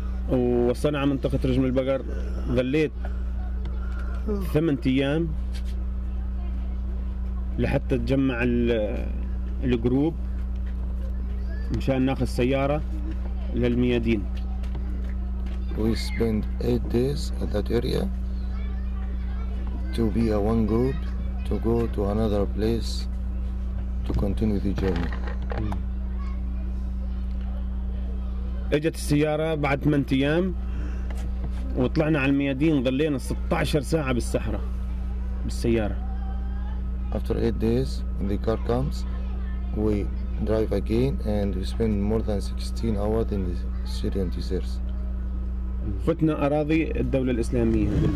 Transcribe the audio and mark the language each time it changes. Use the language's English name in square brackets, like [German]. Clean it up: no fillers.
[Arabic] وصلنا على منطقة رجم البقر ظليت ثمانة أيام لحتى تجمع الجروب مشان ناخذ سيارة للميادين. [English] We spent 8 days at that area to be a one group to go to another place to continue the journey. [Arabic] اجت السيارة بعد 8 أيام وطلعنا على الميادين ظلينا 16 ساعة بالصحراء بالسيارة. [English] After 8 days when the car comes we drive again and we spend more than 16 hours in the Syrian desert. [Arabic] فتنا أراضي الدولة الإسلامية.